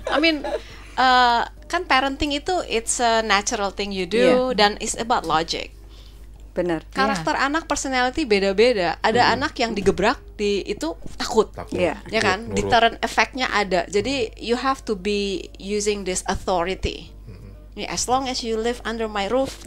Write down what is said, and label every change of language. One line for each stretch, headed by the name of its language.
English: I mean,
Indonesian: kan parenting itu
English: it's a natural thing you do.
Indonesian: Dan
English: it's about logic.
Indonesian: Bener. Karakter anak, personality beda-beda. Ada anak yang digebrak di itu takut. Ya kan? Nurut. Deterrent effect-nya ada. Jadi
English: you have to be using this authority. As long as you live under my roof.